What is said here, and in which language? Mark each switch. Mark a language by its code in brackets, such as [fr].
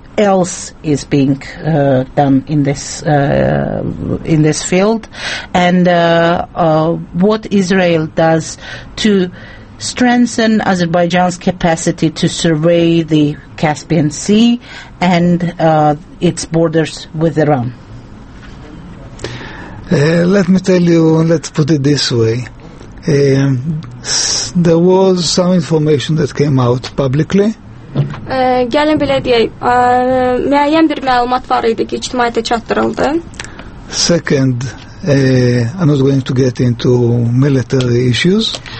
[en] else is being done in this field, and what Israel does to strengthen Azerbaijan's capacity to survey the Caspian Sea and its borders with Iran. Let me tell you, let's put it this way. There was some information that came out publicly. [az] Gəlin belə deyək, müəyyən bir məlumat var idi ki, ictimaiyyətə çatdırıldı. [en] Second, I'm not going to get into military issues.